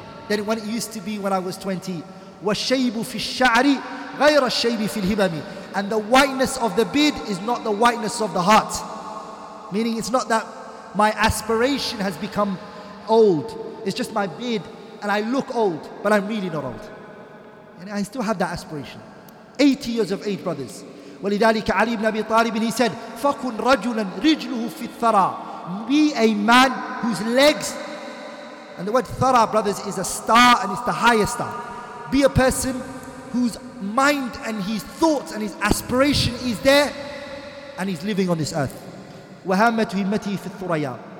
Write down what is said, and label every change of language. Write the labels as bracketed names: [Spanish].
[English] Than when it used to be when I was 20. [Arabic] وَالشَّيْبُ فِي الشَّعْرِ غَيْرَ الشَّيْبِ فِي الْهِبَمِ [English] and the whiteness of the beard is not the whiteness of the heart. Meaning it's not that my aspiration has become old. It's just my beard and I look old, but I'm really not old. And I still have that aspiration. 80 years of age, brothers. [Arabic] ولذلك علي بن أبي طالب, [English] he said, [Arabic] فَكُنْ رَجُلًا رِجْلُهُ فِي الثَّرَى. [English] Be a man whose legs, and the word thara, brothers, is a star and it's the highest star. Be a person whose mind and his thoughts and his aspiration is there and he's living on this earth. [Arabic] وَهَامَّةُ هِمَّتِهِ فِي الثُّرَيَا.